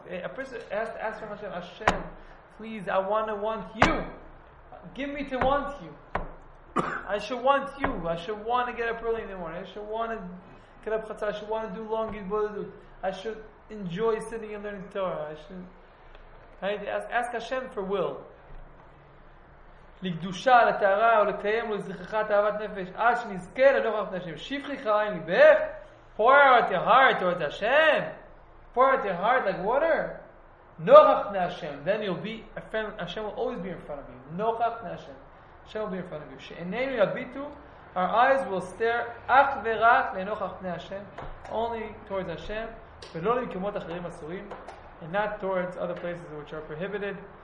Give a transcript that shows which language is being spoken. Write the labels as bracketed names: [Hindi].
[English] A person has to ask Hashem, please, I want to want you. Give me to want you. I should want you. I should want to get up early in the morning. I should want to get up chatzot. I should want to do long gibbodut. I should enjoy sitting and learning Torah. I should. Right? Ask Hashem for will. [Hebrew] לקדושה, לטהרה, או לקיים, לזכרך, תאהבת נפש, עד שנזכה לנוכח פני השם. שפכי חיים לבך, [English] pour out your heart towards Hashem. Pour out your heart like water. [Hebrew] נוכח פני השם. [English] Then you'll be, Hashem will always be in front of you. [Hebrew] נוכח פני השם. [English] Hashem will be in front of you. [Hebrew] שעינינו יביטו, [English] our eyes will stare [Hebrew] אך ורק לנוכח פני השם, [English] only towards Hashem, [Hebrew] ולא למקומות אחרים אסורים, [English] and not towards other places which are prohibited.